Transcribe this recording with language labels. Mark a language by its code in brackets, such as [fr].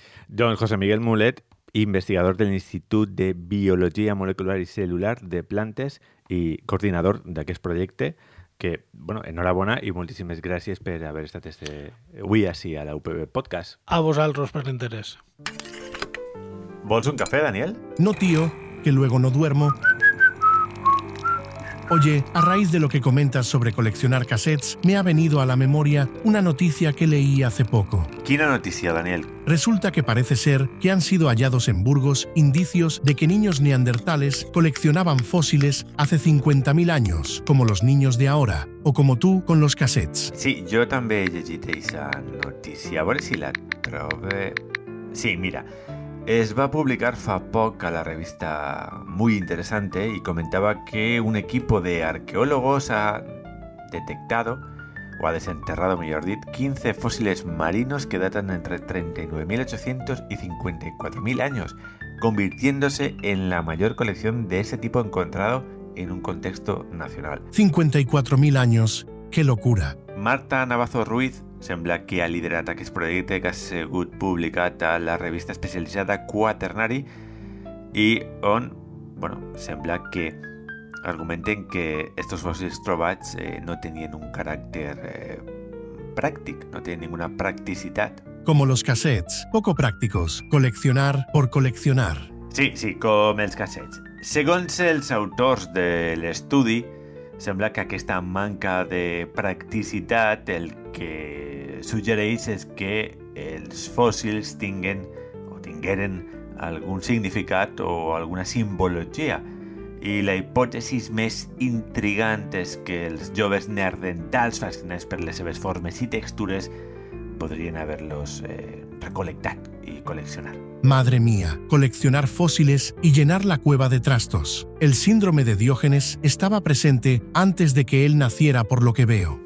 [ca] Doncs José Miguel Mulet, investigador de l'Institut de Biologia Molecular i Celular de Plantes i coordinador d'aquest projecte que, bueno, enhorabona i moltíssimes gràcies per haver estat este avui així a la UPB Podcast. A vosaltres per l'interès. ¿Vols un café, Daniel? [es] No, tío, que luego no duermo. Oye, a raíz de lo que comentas sobre coleccionar cassettes, me ha venido a la memoria una noticia que leí hace poco. [ca] ¿Quina noticia, Daniel? [es] Resulta que parece ser que han sido hallados en Burgos indicios de que niños neandertales coleccionaban fósiles hace 50.000 años, como los niños de ahora, o como tú con los cassettes. Sí, yo también he llegit esa noticia. A ver si la trobe... Sí, mira... [ca] Es va publicar fa poc [es] a la revista Muy Interesante y comentaba que un equipo de arqueólogos ha detectado, o ha desenterrado, mejor dicho, 15 fósiles marinos que datan entre 39.800 y 54.000 años, convirtiéndose en la mayor colección de ese tipo encontrado en un contexto nacional. 54.000 años, qué locura. [ca] Marta Navazo Ruiz sembla que ha liderat aquest projecte que ha sigut publicat a la revista especialitzada Quaternary i on, bueno, sembla que argumenten que estos fòssils trobats no tenien un caràcter pràctic, no tenien ninguna practicitat. [es] Como los cassettes, poco prácticos, coleccionar por coleccionar. [ca] Sí, sí, com els cassettes. Segons els autors de l'estudi, sembla que aquesta manca de practicitat el que suggereix és que els fòssils tinguen o tingueren algun significat o alguna simbologia. I la hipòtesi més intrigant és que els joves neandertals fascinats per les seves formes i textures podrien haver-los recolectat i col·leccionat. [es] Madre mía, coleccionar fósiles y llenar la cueva de trastos. El síndrome de Diógenes estaba presente antes de que él naciera, por lo que veo.